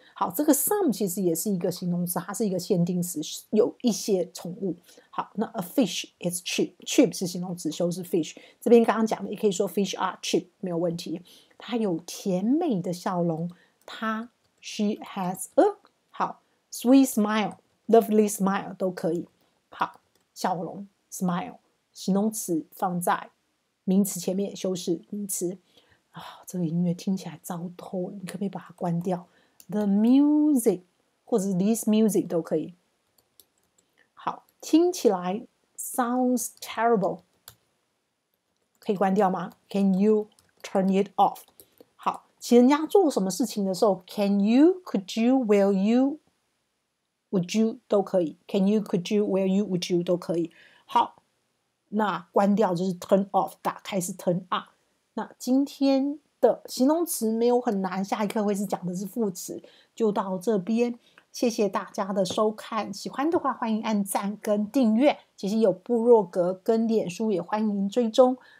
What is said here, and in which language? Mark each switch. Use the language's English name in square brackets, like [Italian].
[Chinese] 好，这个 some 其实也是一个形容词，它是一个限定词，有一些宠物。好，那 a fish is cheap， cheap 是形容词修饰 fish， 这边刚刚讲的也可以说 fish are cheap， 没有问题。它有甜美的笑容，它 [English] she has a [Chinese] 好 sweet smile， lovely smile 都可以。好，笑容 smile形容词放在名词前面修饰名词。啊，这个音乐听起来糟透了，你可不可以把它关掉？ [English] The music [Chinese] 或者是 [English] this music 都可以。 [Chinese] 好，听起来 [English] sounds terrible， [Chinese] 可以关掉吗？ [English] Can you turn it off？ [Chinese] 好，请人家做什么事情的时候， [English] Can you, could you, will you, would you [Chinese] 都可以。 [English] Can you, could you, will you, would you [Chinese] 都可以。好，那关掉就是 turn off， 打开是 turn on。那今天的形容词没有很难，下一课会是讲的是副词，就到这边。谢谢大家的收看，喜欢的话欢迎按赞跟订阅，其实有部落格跟脸书也欢迎追踪。